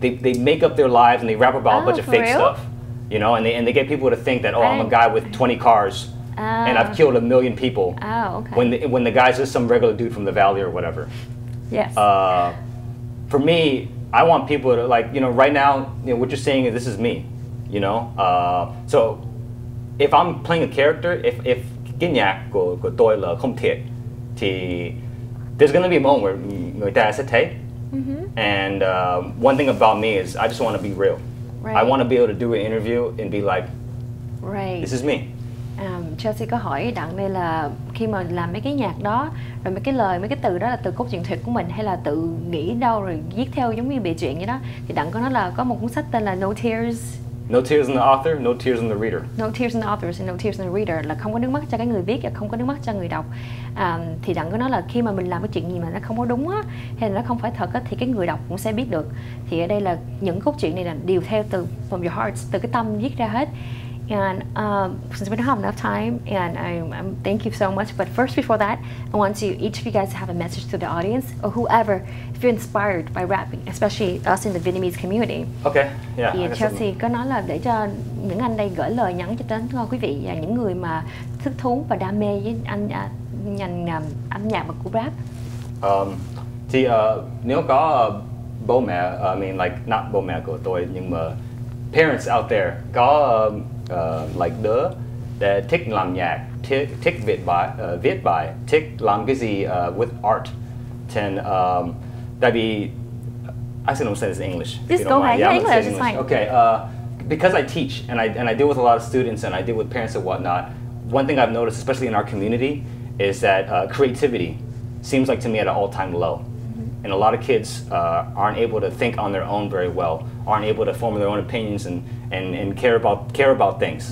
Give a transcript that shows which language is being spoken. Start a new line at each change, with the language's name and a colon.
English: They make up their lives and they rap about a bunch of fake stuff, you know, and they get people to think that I'm a guy with 20 cars. Oh. And I've killed a million people. Oh, okay. When the guy's just some regular dude from the valley or whatever. Yes. For me, I want people to, like, you know, right now, you know, what you're saying is this is me, you know? So if I'm playing a character, if
Vietnamese: cái nhạc của tôi là không thiệt,
English: thì there's going to be a moment where
Vietnamese: người ta sẽ thấy.
English: And one thing about me is I just want to be real. Right. I want to be able to do an interview and be like, right, this is me.
Vietnamese: Chelsey có hỏi Đặng đây là khi mà làm mấy cái nhạc đó, rồi mấy cái lời, mấy cái từ đó là từ cốt truyện thiệt của mình hay là tự nghĩ đâu rồi viết theo giống như bịa chuyện vậy đó. Thì Đặng có nói là có một cuốn sách tên là No Tears.
English: No tears in the author, no tears in the reader. No tears in the author and no tears in the reader.
Vietnamese: Là không có nước mắt cho cái người viết và không có nước mắt cho người đọc. Thì Đặng có nói là khi mà mình làm cái chuyện gì mà nó không có đúng á, hay là nó không phải thật á, thì cái người đọc cũng sẽ biết được. Thì ở đây là những cốt truyện này là đều theo từ
English: from your heart,
Vietnamese: từ cái tâm viết ra hết.
English: And since we don't have enough time, and I'm thank you so much. But first, before that, I want to each of you guys to have a message to the audience or whoever, if you're inspired by rapping, especially us in the Vietnamese community. Okay. Yeah.
Vietnamese: Thì Chelsey có nói là để cho những anh đây gửi lời nhắn cho đến quý vị và những người mà thích thú và đam mê với anh nhành âm nhạc và cú rap. Thì nếu có bố mẹ,
English: I mean like not
Vietnamese: bố mẹ của tôi nhưng mà
English: parents out there
Vietnamese: có like đứa that thích làm nhạc, thích viết bài, thích làm cái gì
English: with art, then that'd be, I said, don't say this in English. Just go ahead, yeah, English, it's fine. Okay, because I teach and I deal with a lot of students and I deal with parents and whatnot, one thing I've noticed, especially in our community, is that creativity seems like to me at an all-time low. Mm-hmm. And a lot of kids aren't able to think on their own very well, aren't able to form their own opinions and care about things.